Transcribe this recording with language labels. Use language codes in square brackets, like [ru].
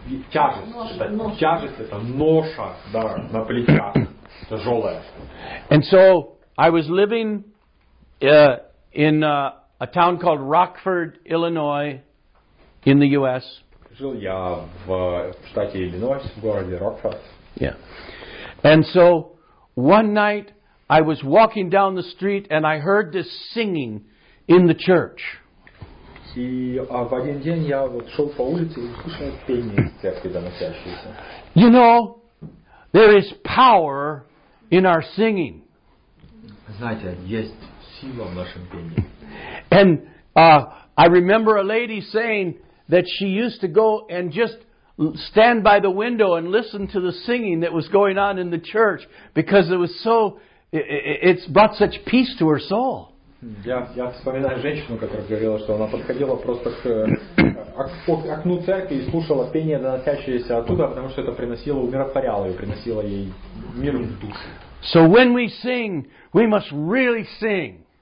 [ru] Это ноша, да, на плечах, тяжелая. [en] And so I was living in a town called Rockford, Illinois, in the U.S. [ru] Жил я в штате Иллинойс, в городе Рокфорд. [en] Yeah. And so one night I was walking down the street and I heard this singing in the church. [ru] И в один день я вот шел по улице и слышал пение из церкви доносящееся. [en] You know, there is power in our singing. [ru] Знаете, есть сила в нашем пении. [en] And I remember a lady saying that she used to go and just stand by the window and listen to the singing that was going on in the church because it was so, it's brought such peace to her soul. [ru] Я вспоминаю женщину, которая говорила, что она подходила просто к окну церкви и слушала пение, доносящееся оттуда, потому что это приносило, умиротворяло ее, приносило ей мир в душу. [en] So when we sing, we must really sing.